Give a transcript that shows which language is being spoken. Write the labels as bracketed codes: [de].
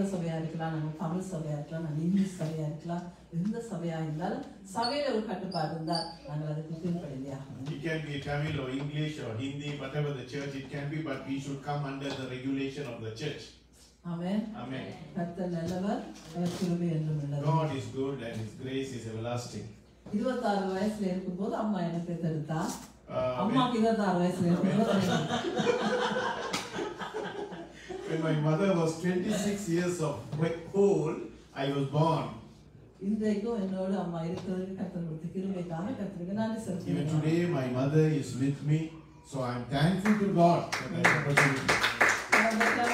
[en] I have many testimonies to share, but today, since my birthday has passed, I even requested pastor, pastor, I wanted to buy a new dress and wear. Today, to celebrate, colorful dress, but pastor said no, today is a communion day, so you should be in white. [ta] நாங்கள் சபையில கட்டுப்பாடு இருக்கலாம், நாங்கள் சிங்கள சபையா இருக்கலாம், நாங்கள் தமிழ் சபையா இருக்கலாம், எந்த சபையா இருந்தாலும் சபையில ஒரு கட்டுப்பாடு இருந்தால் நாங்கள் அதை குத்திருப்பீங்க. [en] Amen. Amen. [ta] கர்த்தர் நல்லவர், அவர் கிருபை என்றும் உள்ளவர். [en] God is good and his grace is everlasting. [ta] 26 வயசுல இருக்கும்போது அம்மா எனக்கு தெரிந்தா, அம்மாக்கு 26 வயசுல இருக்கும்போது [en] When my mother was 26 years of old, I was born. Even today, my mother is with me, so I am thankful to God for that opportunity.